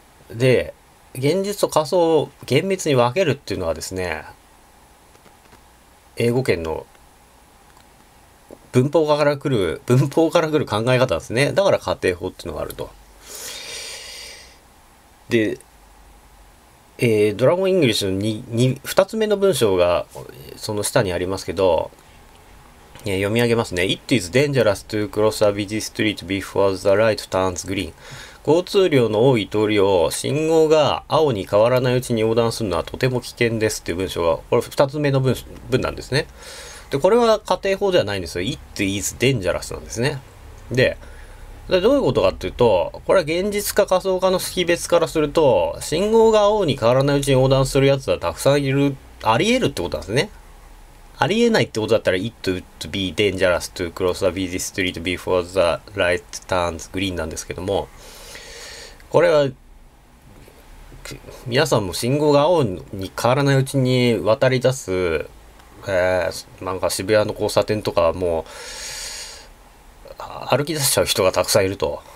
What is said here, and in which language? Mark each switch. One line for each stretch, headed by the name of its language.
Japanese: で、現実と仮想を厳密に分けるっていうのはですね、英語圏の文法から来る考え方ですね。だから仮定法っていうのがあると。で、ドラゴンイングリッシュの2つ目の文章がその下にありますけど、読み上げますね。
English: It is dangerous to cross a busy street before the light turns green.
Japanese: 交通量の多い通りを信号が青に変わらないうちに横断するのはとても危険ですっていう文章が、これ2つ目の文なんですね。で、これは仮定法ではないんですよ。
English: It is dangerous
Japanese: なんですね。で、どういうことかっていうと、これは現実か仮想かの識別からすると、信号が青に変わらないうちに横断するやつはたくさんいる、ありえるってことなんですね。ありえないってことだったら、
English: It would be dangerous to cross a busy street before the light turns green
Japanese: なんですけども、これは、皆さんも信号が青に変わらないうちに渡り出す、なんか渋谷の交差点とかもう、歩き出しちゃう人がたくさんいると。